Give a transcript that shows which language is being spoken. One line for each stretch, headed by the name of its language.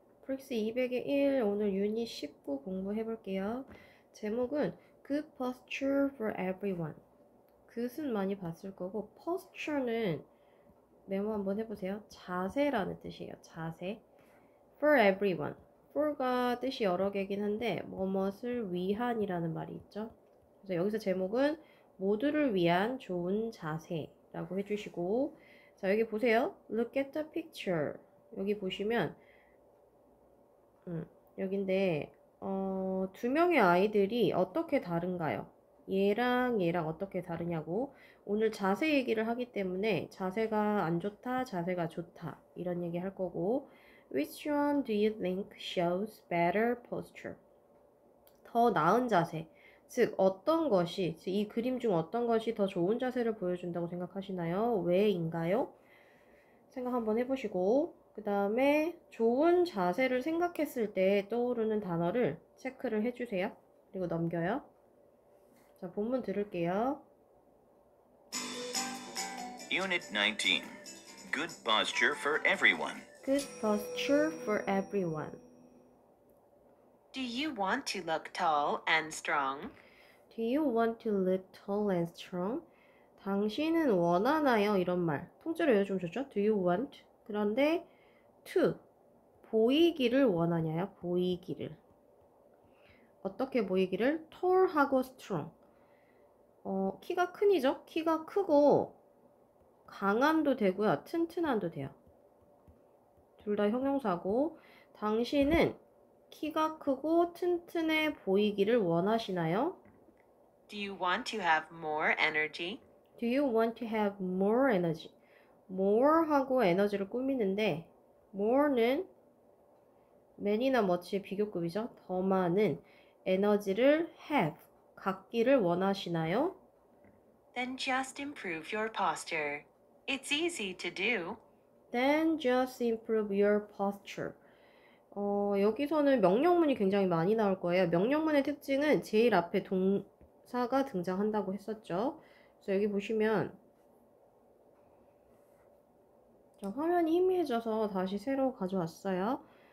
Korean: 플렉스 200의 1, 오늘 유닛 19 공부해볼게요. 제목은
English: Good Posture for Everyone.
Korean: 굿은 많이 봤을 거고, Posture는 메모 한번 해보세요. 자세라는 뜻이에요. 자세.
English: For Everyone.
Korean: For가 뜻이 여러 개긴 한데, 뭐뭇을 위한이라는 말이 있죠. 그래서 여기서 제목은 모두를 위한 좋은 자세라고 해주시고, 자, 여기 보세요.
English: Look at the picture.
Korean: 여기 보시면, 여긴데, 두 명의 아이들이 어떻게 다른가요? 얘랑 얘랑 어떻게 다르냐고. 오늘 자세 얘기를 하기 때문에 자세가 안 좋다, 자세가 좋다. 이런 얘기 할 거고.
English: Which one do you think shows better posture?
Korean: 더 나은 자세. 즉, 어떤 것이, 즉, 이 그림 중 어떤 것이 더 좋은 자세를 보여준다고 생각하시나요? 왜인가요? 생각 한번 해보시고. 그 다음에 좋은 자세를 생각했을 때 떠오르는 단어를 체크를 해주세요. 그리고 넘겨요. 자, 본문 들을게요.
English: Unit 19. Good posture for everyone. Good posture for everyone. Do you want to look tall and strong? Do you want to look tall and strong?
Korean: 당신은 원하나요? 이런 말. 통째로 이어주셨죠?
English: Do you want?
Korean: 그런데 to 보이기를 원하냐요? 보이기를 어떻게 보이기를?
English: tall
Korean: 하고
English: strong.
Korean: 키가 큰이죠? 키가 크고 강한도 되고요, 튼튼한도 돼요. 둘다 형용사고. 당신은 키가 크고 튼튼해 보이기를 원하시나요?
English: Do you want to have more energy? Do you want to have more energy?
Korean: more 하고 에너지를 꾸미는데. More는 many나 much의 비교급이죠. 더 많은 에너지를 have, 갖기를 원하시나요?
English: Then just improve your posture. It's easy to do. Then just improve your posture.
Korean: 여기서는 명령문이 굉장히 많이 나올 거예요. 명령문의 특징은 제일 앞에 동사가 등장한다고 했었죠. 그래서 여기 보시면 자, 화면이 희미해져서 다시 새로 가져왔어요.